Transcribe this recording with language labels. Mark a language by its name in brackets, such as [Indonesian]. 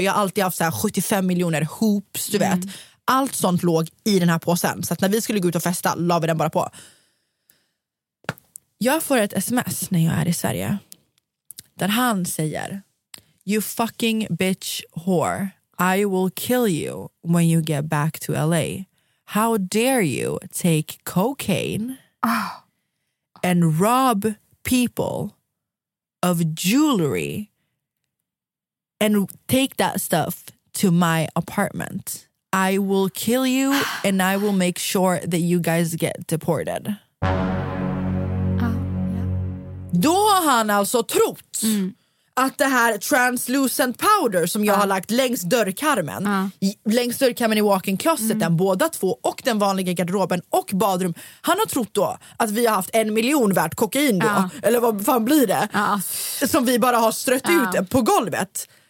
[Swedish] Jag har alltid haft så här 75 miljoner hoops, du vet, allt sånt låg i den här påsen, så att när vi skulle gå ut och festa la vi den bara på. Jag får ett sms när jag är i Sverige där han säger, [English] you fucking bitch whore, I will kill you when you get back to LA. How dare you take cocaine and rob people of jewelry and take that stuff to my apartment? I will kill you and I will make sure that you guys get deported. [Swedish] Då har han alltså trott att det här [English] translucent powder [Swedish] som jag har lagt längs dörrkarmen, längs dörrkarmen i walk-in closet, den båda två och den vanliga garderoben och badrum, han har trott då att vi har haft 1 miljon värt kokain då, eller vad fan blir det, som vi bara har strött ut på golvet.